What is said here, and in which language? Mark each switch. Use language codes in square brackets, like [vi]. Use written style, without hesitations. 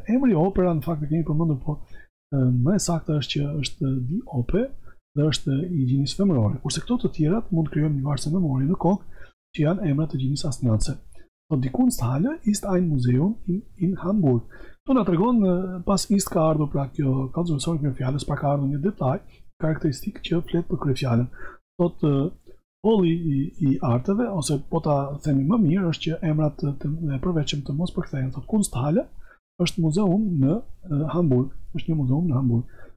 [sq] Emri opera në fakt e kemi përmendur, po më e saktë është që është di ope dhe është i gjinisë femërore. Kurse këto të tjerat mund krijojmë një varse memorie në kokë që janë emra të gjinisë asnjëse. Thot, [de] die Kunsthalle ist ein Museum in Hamburg. [sq] Këtu na tregon pas ist ka ardhur pra kjo kallëzuesor kjo fjalës, pra ka ardhur një detaj karakteristik që flet për kryefjalën. Thot, holli i arteve, ose po ta themi më mirë, është që emrat e përveçëm të mos përkthehen. Thot, Kunsthalle është muzeum në Hamburg, është një muzeum në Hamburg.